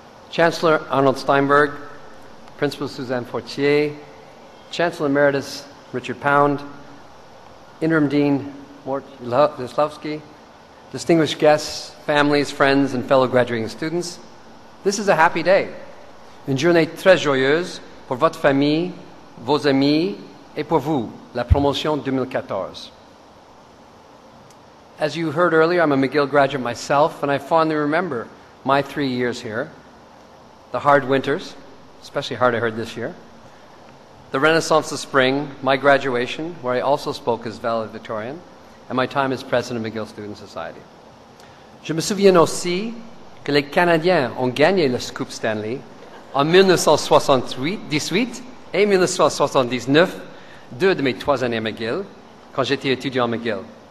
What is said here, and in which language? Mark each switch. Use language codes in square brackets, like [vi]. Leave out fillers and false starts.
[en] Chancellor Arnold Steinberg, Principal Suzanne Fortier, Chancellor Emeritus Richard Pound, Interim Dean Mort Lislavsky, distinguished guests, families, friends, and fellow graduating students, this is a happy day. [fr] Une journée très joyeuse pour votre famille, vos amis, et pour vous, la promotion 2014. [en] As you heard earlier, I'm a McGill graduate myself, and I fondly remember my 3 years here, the hard winters, especially hard I heard this year, the renaissance of spring, my graduation, where I also spoke as valedictorian, and my time as president of McGill Student Society. [fr] Je me souviens aussi que les Canadiens ont gagné le Coupe Stanley en 1978 et 1979, deux de mes trois années à McGill, quand j'étais étudiant à McGill.